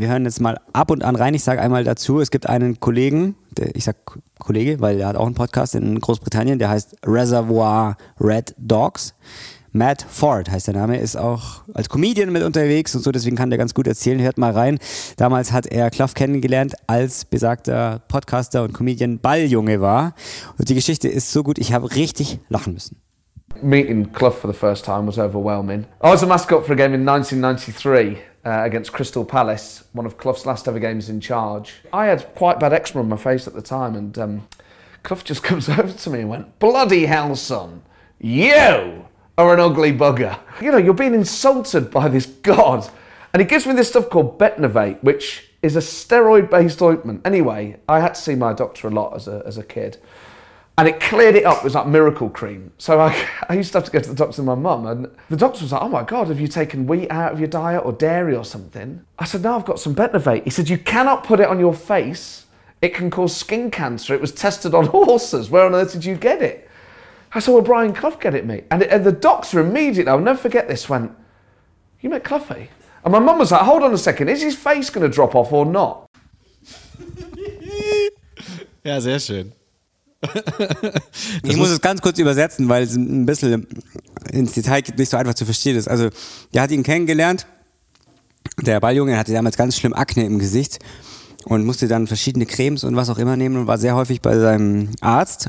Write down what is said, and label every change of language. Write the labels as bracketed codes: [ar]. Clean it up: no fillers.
[de] Wir hören jetzt mal ab und an rein, ich sage einmal dazu, es gibt einen Kollegen, der, ich sag Kollege, weil er hat auch einen Podcast in Großbritannien, der heißt Reservoir Red Dogs. Matt Ford heißt der Name, ist auch als Comedian mit unterwegs und so, deswegen kann der ganz gut erzählen, hört mal rein. Damals hat er Clough kennengelernt, als besagter Podcaster und Comedian Balljunge war. Und die Geschichte ist so gut, ich habe richtig lachen müssen. [en] Meeting Clough for the first time was overwhelming. I was a mascot for a game in 1993 against Crystal Palace, one of Clough's last ever games in charge. I had quite bad eczema on my face at the time, and Clough just comes over to me and went, "Bloody hell, son, you are an ugly bugger. You know, you're being insulted by this god." And he gives me this stuff called Betnovate, which is a steroid-based ointment. Anyway, I had to see my doctor a lot as a kid. And it cleared it up. It was like miracle cream. So I used to have to go to the doctor with my mum, and the doctor was like, "Oh my God, have you taken wheat out of your diet or dairy or something?" I said, "No, I've got some Betnovate." He said, "You cannot put it on your face. It can cause skin cancer. It was tested on horses. Where on earth did you get it?" I said, "Well, Brian Clough get it, mate." And the doctor immediately, I'll never forget this, went, "You met Cloughy?" And my mum was like, "Hold on a second. Is his face going to drop off or not?" [de] Yeah, sehr schön. Ich muss es ganz kurz übersetzen, weil es ein bisschen ins Detail geht, nicht so einfach zu verstehen ist. Also, der hat ihn kennengelernt, der Balljunge hatte damals ganz schlimm Akne im Gesicht und musste dann verschiedene Cremes und was auch immer nehmen und war sehr häufig bei seinem Arzt.